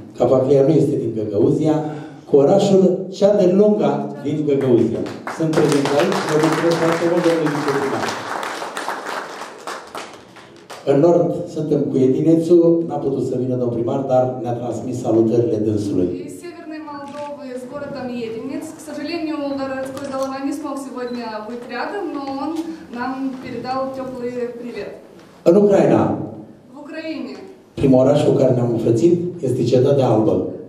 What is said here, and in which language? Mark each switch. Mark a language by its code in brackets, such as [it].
[ro] Capaclia nu este din Găgăuzia. Cu orașul cea de lungă din Găgăuzia. Sunt prezent aici, vă mulțumesc foarte mult, domnului viceprimar. În nord suntem cu Edinețu, n-a putut să vină domnul primar, dar ne-a transmis salutările dânsului. Și Severne Moldova, cu [ru] городом Edineț, cu сожалению, городской голова не смог сегодня быть рядом, но он нам передал теплый привет. [ro] În Ucraina. [ru] В Украине. [ro] Primul oraș cu care ne-am înfrățit este Cetatea Albă.